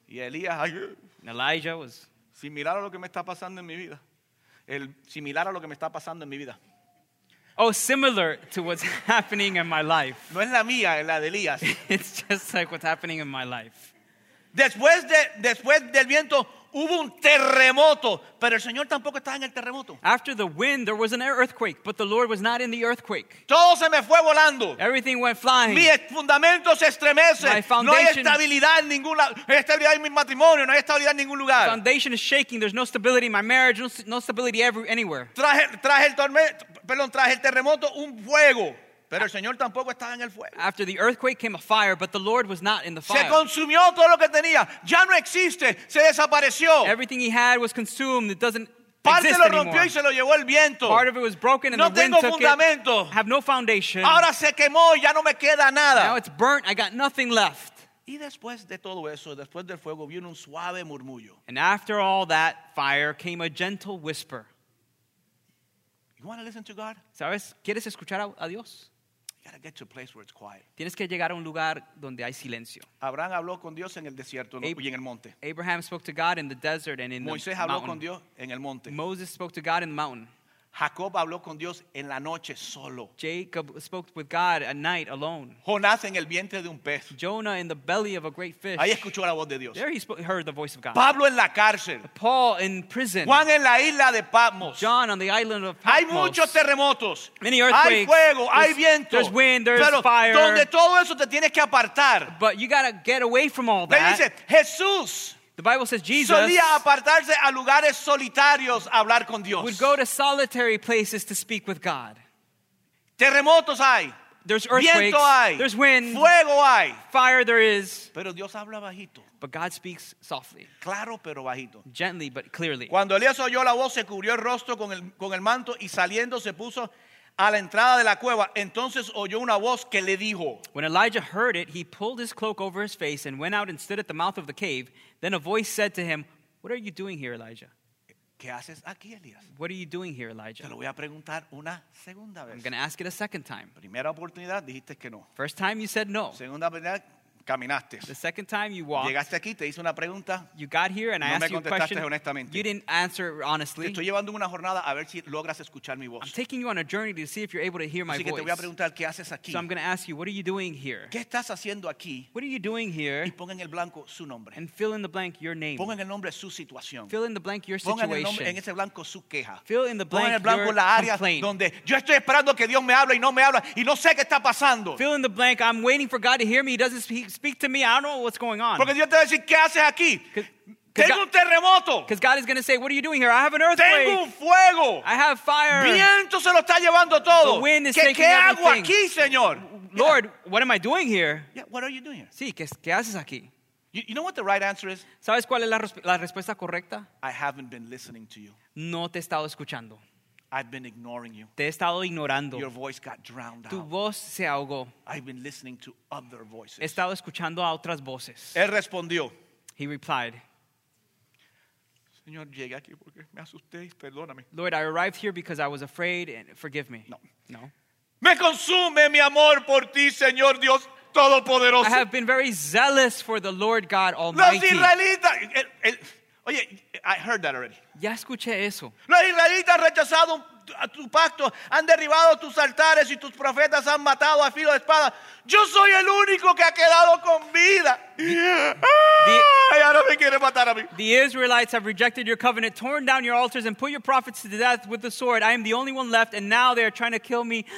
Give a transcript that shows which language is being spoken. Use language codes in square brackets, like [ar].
[es] Y Elías, ay, [en] Elijah was [es] similar a lo que me está pasando en mi vida. [en] Oh, similar to what's happening in my life. [es] No es la mía, es la de Elías. [en] It's just like what's happening in my life. [es] Después del viento hubo un terremoto, pero el Señor tampoco estaba en el terremoto. [en] After the wind, there was an earthquake, but the Lord was not in the earthquake. [es] Todo se me fue volando. [en] Everything went flying. [es] Mi fundamento se estremece. [en] My foundation. [es] No hay estabilidad en ningún lado. Estabilidad en mi matrimonio. No hay estabilidad en ningún lugar. [en] My foundation is shaking. There's no stability in my marriage. No stability anywhere. [es] Traje el terremoto un fuego. Pero el Señor tampoco estaba en el fuego. [en] After the earthquake came a fire, but the Lord was not in the fire. [es] Se consumió todo lo que tenía. Ya no existe. Se desapareció. [en] Everything he had was consumed. It doesn't [es] Parte [en] exist [es] lo rompió [en] anymore. [es] Y se lo llevó el viento. [en] Part of it was broken and [es] no [en] the wind took [es] fundamento. [en] It. Have no foundation. [es] Ahora se quemó y ya no me queda nada. [en] Now it's burnt. I got nothing left. [es] Y después de todo eso, después del fuego, vino un suave murmullo. [en] And after all that fire came a gentle whisper. You want to listen to God? [es] ¿Sabes? ¿Quieres escuchar a Dios? [en] You gotta get to a place where it's quiet. [es] Tienes que llegar a un lugar donde hay silencio. Abraham habló con Dios en el desierto y en el monte. [en] Abraham spoke to God in the desert and in [es] Moisés [en] the [es] habló [en] mountain. [es] Con Dios en el monte. [en] Moses spoke to God in the mountain. [es] Jacob habló con Dios en la noche solo. [en] Jacob spoke with God at night alone. [es] Jonás en el vientre de un pez. [en] Jonah in the belly of a great fish. [es] Ahí escuchó la voz de Dios. [en] There he heard the voice of God. [es] Pablo en la cárcel. [en] Paul in prison. [es] Juan en la isla de Patmos. [en] John on the island of Patmos. [es] Hay muchos terremotos. [en] Many earthquakes. [es] Hay fuego, hay viento. [en] There's wind, there's [es] Pero [en] fire. [es] Donde todo eso te tienes que apartar. [en] But you gotta get away from all that. [es] Le dice, Jesús. [en] The Bible says Jesus [es] solía apartarse a lugares solitarios a hablar con Dios. [en] Would go to solitary places to speak with God. [es] Terremotos hay. [en] There's earthquakes. [es] Viento hay. [en] There's wind. [es] Fuego hay. [en] Fire there is. [es] Pero Dios habla bajito. [en] But God speaks softly. [es] Claro, pero bajito. [en] Gently but clearly. [es] Cuando Elías oyó la voz, se cubrió el rostro con el manto y saliendo se puso a la entrada de la cueva. Entonces oyó una voz que le dijo. [en] When Elijah heard it, he pulled his cloak over his face and went out and stood at the mouth of the cave. Then a voice said to him, what are you doing here, Elijah? [es] ¿Qué haces aquí, Elías? [en] What are you doing here, Elijah? [es] Te lo voy a preguntar una segunda vez. [en] I'm going to ask it a second time. [es] Primera oportunidad, dijiste que no. [en] First time you said no. [es] Segunda oportunidad, caminaste. [en] The second time you walked. [es] Llegaste aquí, te hice una pregunta. [en] You got here and [es] no [en] I asked you a question. [es] Honestamente. [en] You didn't answer honestly. [es] Te estoy llevando una jornada a ver si logras escuchar mi voz. [en] I'm taking you on a journey to see if you're able to hear my voice. [es] Así que te voy a preguntar, ¿qué haces aquí? [en] So I'm going to ask you, what are you doing here? [es] ¿Qué estás haciendo aquí? [en] What are you doing here? [es] Y pon en el blanco su nombre. [en] And fill in the blank your name. [es] Pon en el nombre su situación. [en] Fill in the blank your situation. [es] Pon en ese blanco su queja. [en] Fill in the blank, [es] pon en el blanco [en] your [es] la área [en] complaint. [es] Donde yo estoy esperando que Dios me hable y no me habla y no sé qué está pasando. [en] Fill in the blank, I'm waiting for God to hear me, he doesn't speak to me, I don't know what's going on. [es] Porque Dios te va a decir, ¿qué haces aquí? [en] Because God is going to say, what are you doing here? I have an earthquake. [es] Tengo un fuego. [en] I have fire. [es] Viento se lo está llevando todo. [en] The wind is [es] ¿Qué, [en] taking [es] ¿qué [en] everything. [es] Hago aquí, Señor? [en] Lord, yeah. What am I doing here? Yeah, what are you doing here? [es] Sí, ¿qué haces aquí? [en] You know what the right answer is? [es] ¿Sabes cuál es la respuesta correcta? [en] I haven't been listening to you. [es] No te he estado escuchando. [en] I've been ignoring you. [es] Te he estado ignorando. [en] Your voice got drowned [es] tu [en] out. [es] Voz se ahogó. [en] I've been listening to other voices. [es] He estado escuchando a otras voces. Él respondió. [en] He replied. [es] Señor, llegué aquí porque me asusté, perdóname. [en] Lord, I arrived here because I was afraid, and forgive me. [es] No. [en] No. [es] Me consume mi amor por ti, Señor Dios Todopoderoso. [en] I have been very zealous for the Lord God Almighty. [es] Los israelitas. Oye, [en] I heard that already. [es] Ya escuché eso. Los israelitas han rechazado tu pacto, han derribado tus altares y tus profetas han matado a filo de espada. Yo soy el único que ha quedado con vida. [en] The Israelites have rejected your covenant, torn down your altars, and put your prophets to death with the sword. I am the only one left, and now they are trying to kill me.